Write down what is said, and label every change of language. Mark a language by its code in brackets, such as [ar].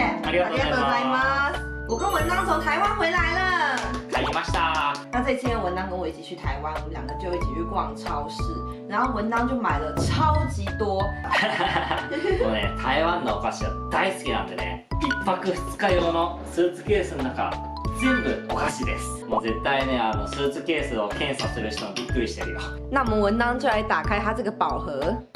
[zh] 我跟文章从台湾回来了。那这次文章跟我一起去台湾，我们两个就一起去逛超市，然后文章就买了超级多。我呢， [ja] 台湾のお菓子は大好きなんでね、一泊二日用のスーツケースの中全部お菓子です。もう絶対ね、スーツケースを検査する人もびっくりしてるよ。 [zh] 那我们文章就来打开他这个宝盒。